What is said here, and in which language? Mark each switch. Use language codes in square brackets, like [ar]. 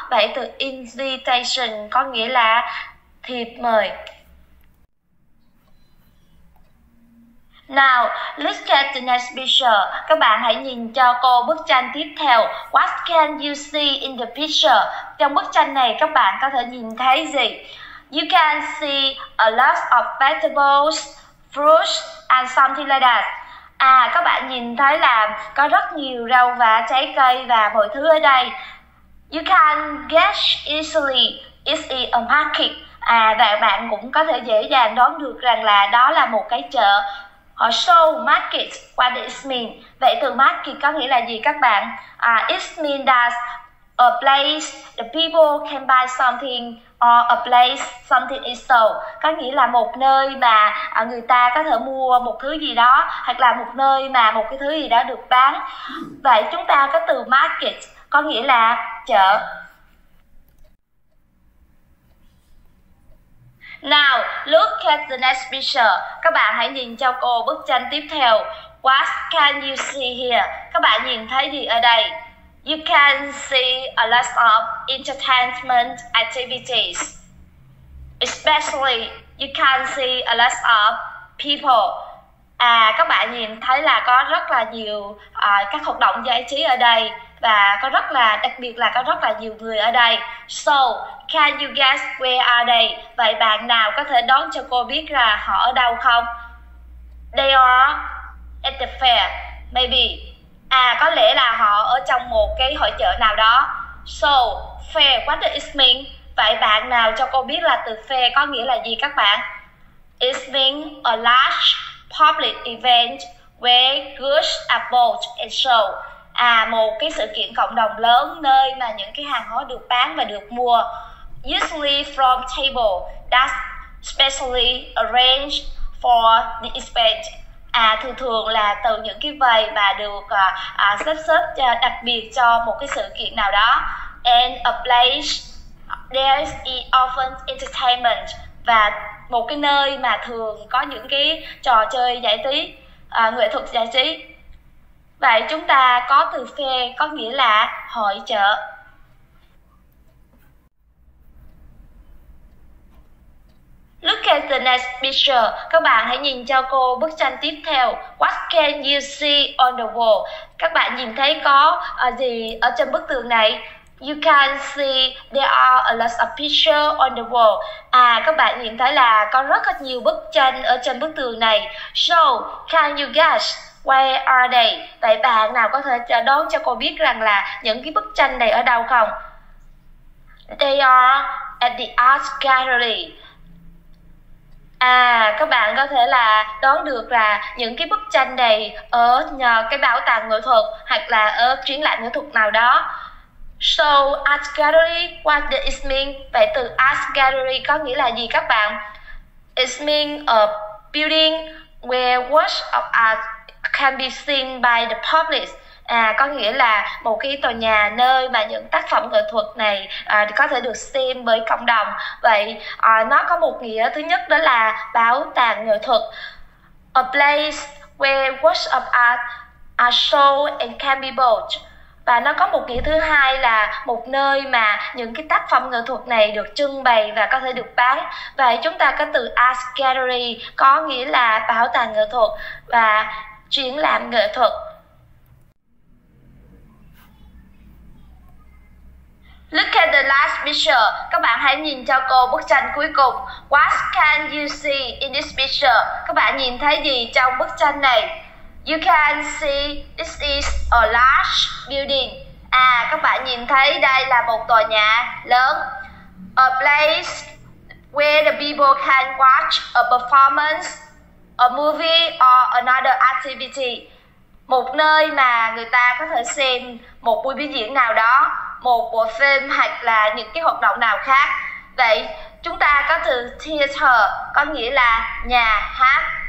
[vi] Vậy, từ invitation có nghĩa là thiệp mời. [en] Now, look at the next picture. [vi] Các bạn hãy nhìn cho cô bức tranh tiếp theo. [en] What can you see in the picture? [vi] Trong bức tranh này, các bạn có thể nhìn thấy gì? [en] You can see a lot of vegetables, fruits, and something like that. [vi] À, các bạn nhìn thấy là có rất nhiều rau và trái cây và mọi thứ ở đây. [en] You can guess easily. Is it a market? [vi] À, và bạn cũng có thể dễ dàng đoán được rằng là đó là một cái chợ. [en] Or so market, what it mean? [vi] Vậy từ market có nghĩa là gì các bạn? [en] It means that a place the people can buy something or a place something is sold. [vi] Có nghĩa là một nơi mà người ta có thể mua một thứ gì đó hoặc là một nơi mà một cái thứ gì đó được bán. Vậy chúng ta có từ market có nghĩa là chợ. [en] Now, look at the next picture. [vi] Các bạn hãy nhìn cho cô bức tranh tiếp theo. [en] What can you see here? [vi] Các bạn nhìn thấy gì ở đây? [en] You can see a lot of entertainment activities. Especially, you can see a lot of people. [vi] À, các bạn nhìn thấy là có rất là nhiều các hoạt động giải trí ở đây. và có rất là đặc biệt là có rất là nhiều người ở đây. [en] So, can you guess where are they? [vi] Vậy bạn nào có thể đoán cho cô biết là họ ở đâu không? [en] They are at the fair, maybe. [vi] À, có lẽ là họ ở trong một cái hội chợ nào đó. [en] So, fair, what does it mean? [vi] Vậy bạn nào cho cô biết là từ fair có nghĩa là gì các bạn? [en] It means a large public event where goods are bought and sold. [vi] À, một cái sự kiện cộng đồng lớn nơi mà những cái hàng hóa được bán và được mua. [en] Usually from table that's specially arranged for the event. [vi] À, thường thường là từ những cái vầy mà được sắp xếp đặc biệt cho một cái sự kiện nào đó. [en] And a place there is often entertainment. [vi] Và một cái nơi mà thường có những cái trò chơi giải trí, nghệ thuật giải trí. Vậy chúng ta có từ fair có nghĩa là hội chợ. [en] Look at the next picture. [vi] Các bạn hãy nhìn cho cô bức tranh tiếp theo. [en] What can you see on the wall? [vi] Các bạn nhìn thấy có gì ở trên bức tường này? [en] You can see there are a lot of pictures on the wall. [vi] À, các bạn nhìn thấy là có rất là nhiều bức tranh ở trên bức tường này. [en] So, can you guess where are they? [vi] Vậy bạn nào có thể đoán cho cô biết rằng là những cái bức tranh này ở đâu không? [en] They are at the art gallery. [vi] À, các bạn có thể là đoán được là những cái bức tranh này ở nhờ cái bảo tàng nghệ thuật hoặc là ở triển lãm nghệ thuật nào đó. [en] So, art gallery, what does it mean? [vi] Vậy từ art gallery có nghĩa là gì các bạn? [en] It means a building where works of art can be seen by the public. [vi] À, có nghĩa là một cái tòa nhà nơi mà những tác phẩm nghệ thuật này có thể được xem bởi cộng đồng. Vậy nó có một nghĩa thứ nhất đó là bảo tàng nghệ thuật. [en] A place where works of art are shown and can be bought. [vi] Và nó có một nghĩa thứ hai là một nơi mà những cái tác phẩm nghệ thuật này được trưng bày và có thể được bán. Vậy chúng ta có từ art gallery có nghĩa là bảo tàng nghệ thuật và triển lãm nghệ thuật. [en] Look at the last picture. [vi] Các bạn hãy nhìn cho cô bức tranh cuối cùng. [en] What can you see in this picture? [vi] Các bạn nhìn thấy gì trong bức tranh này? [en] You can see this is a large building. [vi] À, các bạn nhìn thấy đây là một tòa nhà lớn. [en] A place where the people can watch a performance, a movie or another activity. [vi] Một nơi mà người ta có thể xem một buổi biểu diễn nào đó, một bộ phim hoặc là những cái hoạt động nào khác. Vậy chúng ta có từ theater có nghĩa là nhà hát.